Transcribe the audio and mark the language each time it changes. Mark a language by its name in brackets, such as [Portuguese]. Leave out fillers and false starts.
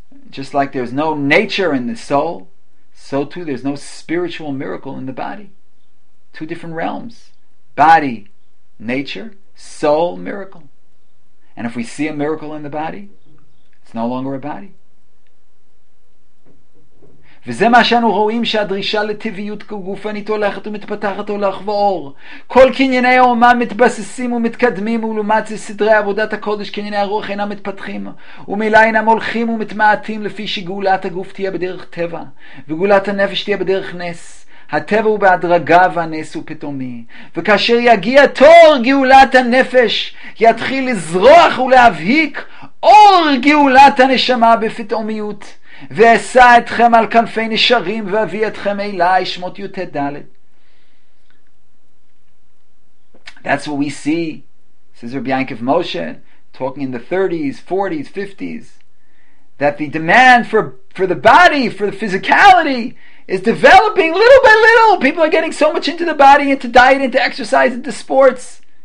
[English] Just like there's no nature in the soul, so too there's no spiritual miracle in the body. Two different realms: body, nature; soul, miracle. And if we see a miracle in the body, it's no longer a body. [Hebrew] וזה מה שאנו רואים שהדרישה לטבעיות גופנית הולכת ומתפתחת הולך ואור. כל קנייני האומה מתבססים ומתקדמים, ולעומת זה סדרי עבודת הקודש קנייני הרוח אינם מתפתחים ומילה אינם הולכים ומתמעטים, לפי שגאולת הגוף תהיה בדרך טבע וגאולת הנפש תהיה בדרך נס. הטבע הוא בהדרגה והנס הוא פתאומי, וכאשר יגיע תור גאולת הנפש יתחיל לזרוח ולהבהיק אור גאולת הנשמה בפתאומיות, ואשא אתכם על כנפי נשרים ואביא אתכם אליי. שמות י"ט ד. [English] That's what we see, says Rabbi Yaakov Moshe, talking in the 30s, 40s, 50s, that the demand for the body, for the physicality, is developing little by little. People are getting so much into the body, into diet, into exercise, into sports.